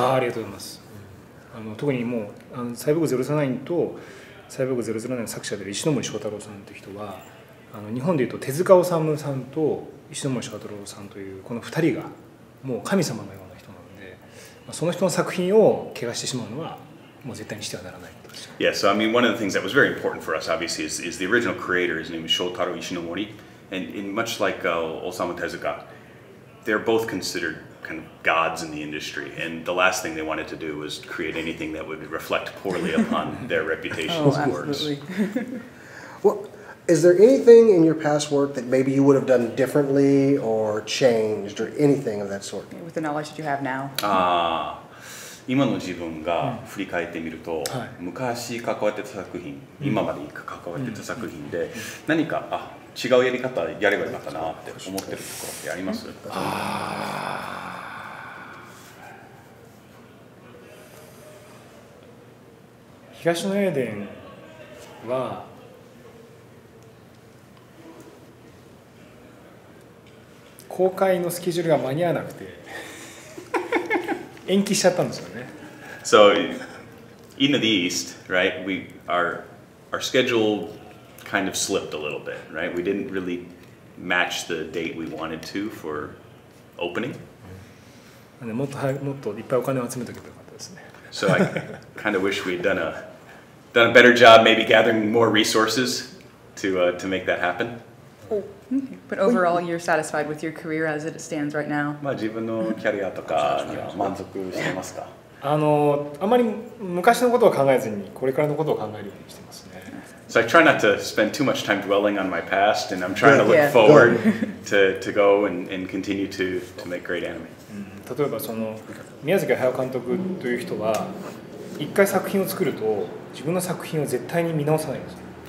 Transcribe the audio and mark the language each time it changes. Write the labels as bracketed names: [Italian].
[Japanese] ああ、ありがとうございます。特にもうサイボーグ009とサイボーグ009の作者である石森章太郎さんという人は、日本でいうと手塚治虫さんと石森章太郎さんというこの二人がもう神様のような。その人の作品を怪我してしまうのはもう絶対にしてはならないことです。 [English] Yeah, so I mean, one of the things that was very important for us, obviously, is the original creator, his name is Shotaro Ishinomori, and in much like Osamu Tezuka, they're both considered kind of gods in the industry, and the last thing they wanted to do was create anything that would reflect poorly upon their reputation as works. Well, is there anything in your past work that maybe you would have done differently or changed or anything of that sort? With the knowledge that you have now. [Japanese] ああ、今の自分が振り返ってみると、昔関わってた作品、今まで関わってた作品で、何か違うやり方やればよかったなって思ってるところってあります？東のエーデンは、公開のスケジュールが間に合わなくて延期しちゃったんですよね。 [English] So in the East, right? We our schedule kind of slipped a little bit, right? We didn't really match the date we wanted to for opening. [Japanese] もっといっぱいお金を集めておけばよかったですね。 [English] So I kind of wish we'd done a better job, maybe gathering more resources to make that happen. But overall, you're satisfied with your career as it stands right now. [Japanese] まあ自分のキャリアとかには満足してますか？あまり昔のことを考えずにこれからのことを考えるようにしてますね。 [English] So I try not to spend too much time dwelling on my past, and I'm trying to look forward to go and continue to make great anime. [Japanese] 例えばその宮崎駿監督という人は一回作品を作ると自分の作品を絶対に見直さないんです。